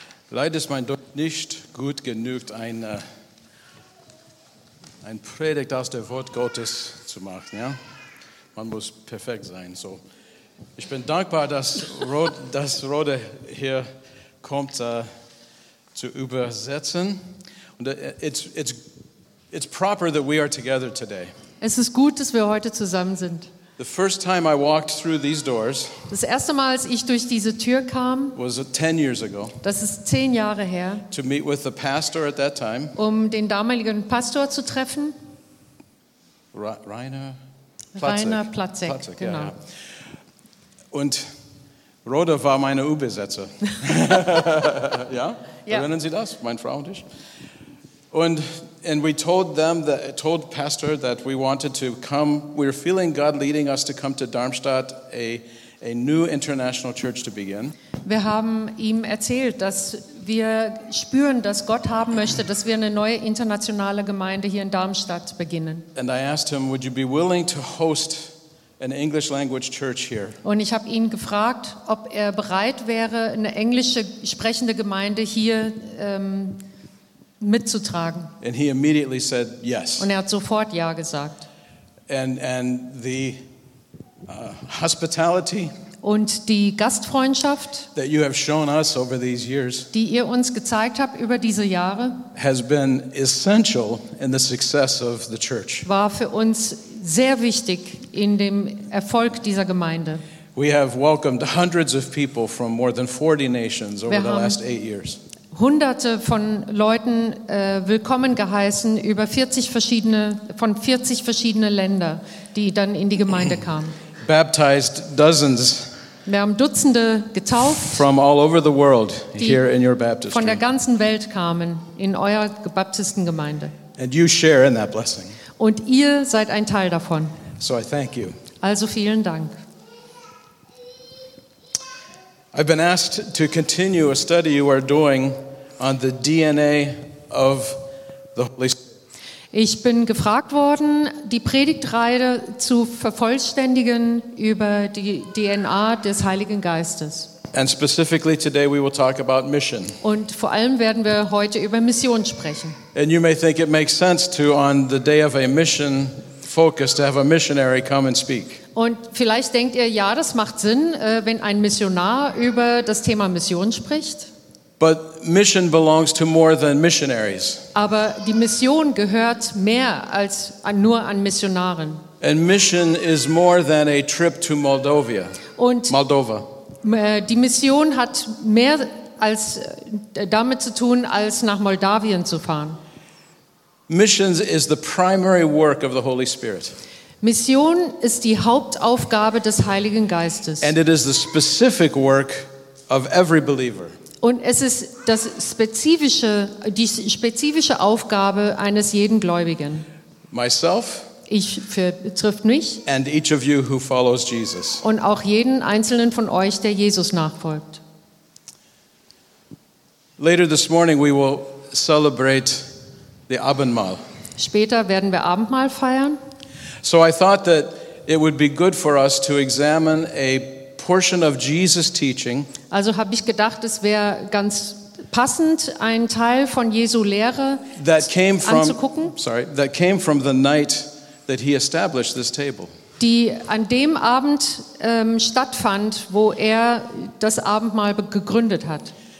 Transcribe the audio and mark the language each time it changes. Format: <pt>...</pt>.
<de>Leider ist mein Deutsch nicht gut genug, ein Predigt aus dem Wort Gottes zu machen. Ja? Man muss perfekt sein. So. Ich bin dankbar, dass Rode hier kommt, zu übersetzen.</de> <en>Und it's proper that we are together today.</en> <de>Es ist gut, dass wir heute zusammen sind.</de> <en>The first time I walked through these doors,</en> <de>das erste Mal, als ich durch diese Tür kam,</de> <en>was 10 years ago.</en> <de>Das ist 10 Jahre her.</de> <en>To meet with the pastor at that time,</en> <de>um den damaligen Pastor zu treffen, Rainer Platzek. Platzek, genau. Ja, ja. Und Rode war meine Übersetzer. Ja? Ja, erinnern Sie das, meine Frau und ich?</de> <en>And we told Pastor that we wanted to come. We were feeling God leading us to come to Darmstadt, a new international church to begin.</en> <de>Wir haben ihm erzählt, dass wir spüren, dass Gott haben möchte, dass wir eine neue internationale Gemeinde hier in Darmstadt beginnen.</de> <en>And I asked him, would you be willing to host an English language church here?</en> <de>Und ich habe ihn gefragt, ob er bereit wäre, eine englische sprechende Gemeinde hier mitzutragen.</de> <en>And he immediately said yes.</en> <de>Und er hat sofort ja gesagt.</de> <en>And the hospitality,</en> <de>und die Gastfreundschaft,</de> <en>that you have shown us over these years,</en> <de>die ihr uns gezeigt habt über diese Jahre,</de> <en>has been essential in the success of the church.</en> <de>War für uns sehr wichtig in dem Erfolg dieser Gemeinde.</de> <en>We have welcomed hundreds of people from more than 40 nations over the last 8 years.</en> <de>Hunderte von Leuten willkommen geheißen von 40 verschiedene Länder, die dann in die Gemeinde kamen.</de> <en>Baptized dozens.</en> <de>Wir haben Dutzende getauft.</de> <en>From all over the world here in your baptistry.</en> <de>Von der ganzen Welt kamen in eurer Baptistengemeinde.</de> <en>And you share in that blessing.</en> <de>Und ihr seid ein Teil davon.</de> <en>So I thank you.</en> <de>Also vielen Dank.</de> <en>I've been asked to continue a study you are doing on the DNA of the Holy Spirit.</en> <de>Ich bin gefragt worden, die Predigtreihe zu vervollständigen über die DNA des Heiligen Geistes.</de> <en>And specifically today we will talk about mission.</en> <de>Und vor allem werden wir heute über Mission sprechen.</de> <en>And you may think it makes sense to, on the day of a mission focus, to have a missionary come and speak.</en> <de>Und vielleicht denkt ihr, ja, das macht Sinn, wenn ein Missionar über das Thema Mission spricht.</de> <en>But mission belongs to more than missionaries.</en> <de>Aber die Mission gehört mehr als nur an Missionaren.</de> <en>And mission is more than a trip to Moldova.</en> <de>Und Moldova. Die Mission hat mehr als damit zu tun, als nach Moldawien zu fahren.</de> <en>Missions is the primary work of the Holy Spirit.</en> <de>Mission ist die Hauptaufgabe des Heiligen Geistes.</de> <en>And it is the specific work of every believer.</en> <de>Und es ist die spezifische Aufgabe eines jeden Gläubigen.</de> <en>Myself.</en> <de>Ich betrifft mich.</de> <en>And each of you who follows Jesus.</en> <de>Und auch jeden einzelnen von euch, der Jesus nachfolgt.</de> <en>Later this morning we will celebrate the Abendmahl.</en> <de>Später werden wir Abendmahl feiern.</de> <en>So I thought that it would be good for us to examine a portion of Jesus' teaching.</en> <de>Also habe ich gedacht, es wäre ganz passend, einen Teil von Jesu Lehre anzugucken.</de> <en>That came from the night that he established this table.</en> <de>Die an dem Abend stattfand, wo er das Abendmahl gegründet hat.</de>